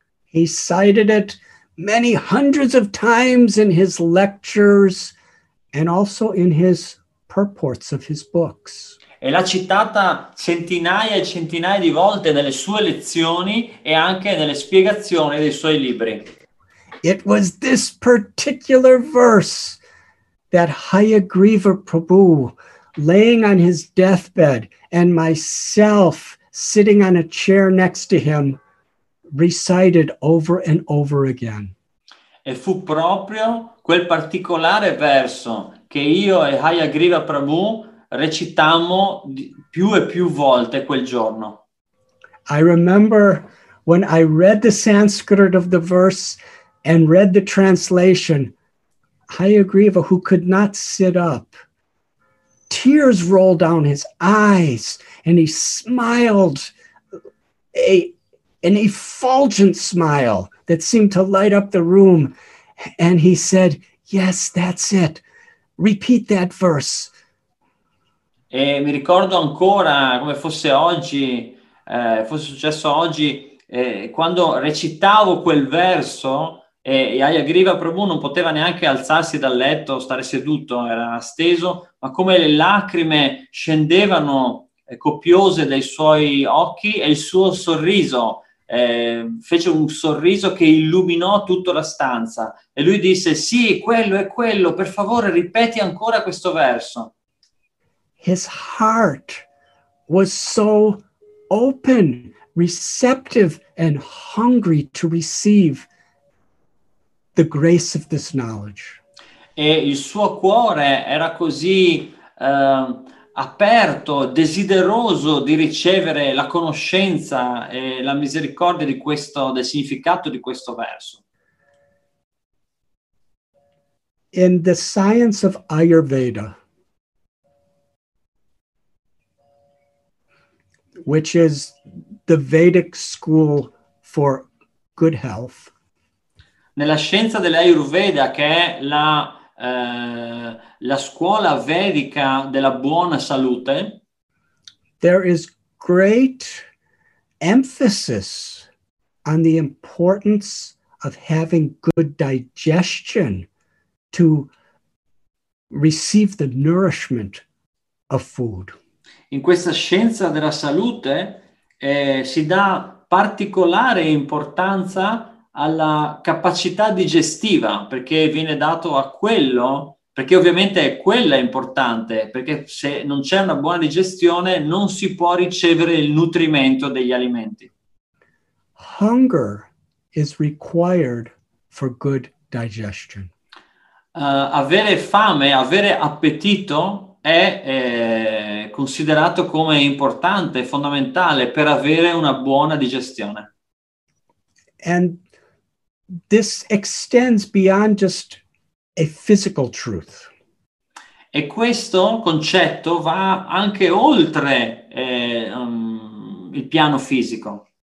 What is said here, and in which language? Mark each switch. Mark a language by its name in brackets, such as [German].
[English] He cited it many hundreds of times in his lectures and also in his purports of his books. [Italian] E l'ha citata centinaia e centinaia di volte nelle sue lezioni e anche nelle spiegazioni dei suoi libri. [English] It was this particular verse that Hayagriva Prabhu, laying on his deathbed and myself sitting on a chair next to him, recited over and over again. [Italian] E fu proprio quel particolare verso che io e Hayagriva Prabhu recitammo più e più volte quel giorno. [English] I remember when I read the Sanskrit of the verse and read the translation, Hayagriva, who could not sit up, tears rolled down his eyes and he smiled an effulgent smile that seemed to light up the room. And he said, "Yes, that's it. Repeat that verse." [Italian] E mi ricordo ancora come fosse oggi, fosse successo oggi, quando recitavo quel verso e Hayagriva Prabhu non poteva neanche alzarsi dal letto, stare seduto, era steso, ma come le lacrime scendevano copiose dai suoi occhi e il suo sorriso, fece un sorriso che illuminò tutta la stanza e lui disse, sì, quello è quello, per favore ripeti ancora questo verso. [English] His heart was so open, receptive, and hungry to receive the grace of this knowledge. [Italian] E il suo cuore era così aperto, desideroso di ricevere la conoscenza e la misericordia di questo, del significato di questo verso. [English] In the science of Ayurveda, which is the Vedic school for good health. [Italian] Nella scienza dell'Ayurveda, che è la la scuola vedica della buona salute, [English] there is great emphasis on the importance of having good digestion to receive the nourishment of food. [Italian] In questa scienza della salute si dà particolare importanza alla capacità digestiva, perché viene dato a quello, perché ovviamente è quella importante, perché se non c'è una buona digestione non si può ricevere il nutrimento degli alimenti. [English] Hunger is required for good digestion. [Italian] Avere fame, avere appetito è considerato come importante, fondamentale per avere una buona digestione. [English] And this extends beyond just a physical truth. [Italian] E questo concetto va anche oltre il piano fisico.